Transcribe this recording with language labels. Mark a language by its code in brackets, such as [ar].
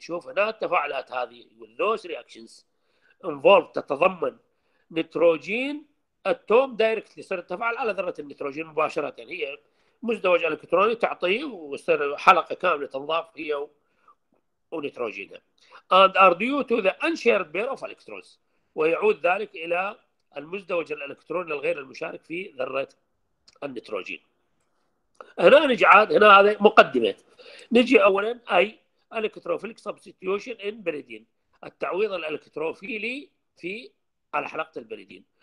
[ar] شوف هنا التفاعلات هذه. [en] Those reactions involve [ar] تتضمن نيتروجين اتوم دايركتلي، يصير التفاعل على ذرة النيتروجين مباشرة، يعني هي مزدوج الكتروني تعطيه ويصير حلقة كاملة تنضاف هي ونيتروجينها. [en] And are due to the unshared pair of electrons. [ar] ويعود ذلك إلى المزدوج الإلكتروني الغير المشارك في ذرة النيتروجين. هنا نجي عاد، هنا هذه مقدمة. نجي أولا أي الكتروفيليك سبستيوشن إن بريدين، التعويض الإلكتروفيلي في على حلقة البريدين.